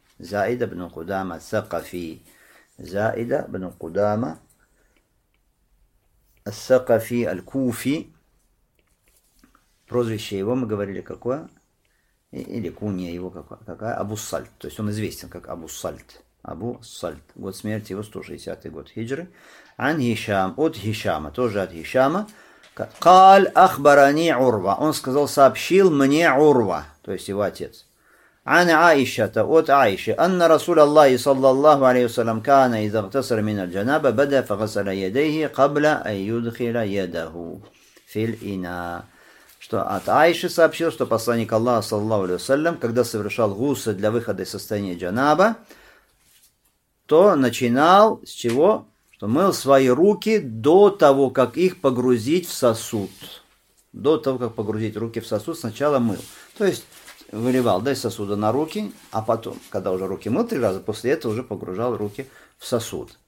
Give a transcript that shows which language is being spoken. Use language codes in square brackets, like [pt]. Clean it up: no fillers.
[ru] زائدة بن قدامة الثقفي زائدة بن قدامة الثقفي الكوفي прозвище его мы говорили какое или куния его какая Абу Сальт, то есть он известен как Абу Сальт. Абу Сальт, год смерти его 160 год хиджры. عن هشام, от Хишама, тоже от Хишама. [ar] قال أخبرني عروة, [ru] он сказал, сообщил мне عروة, то есть его отец. [ar] عن عائشة от عائشة أن رسول الله صلى الله عليه وسلم كان إذا اغتسل من الجنابة بدأ فغسل يديه قبل أن يدخل يده في الإناء. [ru] Что от Аиши сообщил, что посланник Аллаха صلى الله عليه وسلم, когда совершал гусль для выхода из состояния джанаба, то начинал с чего? Что мыл свои руки до того, как их погрузить в сосуд. До того, как погрузить руки в сосуд, сначала мыл. То есть выливал, да, из сосуда на руки, а потом, когда уже руки мыл три раза, после этого уже погружал руки в сосуд.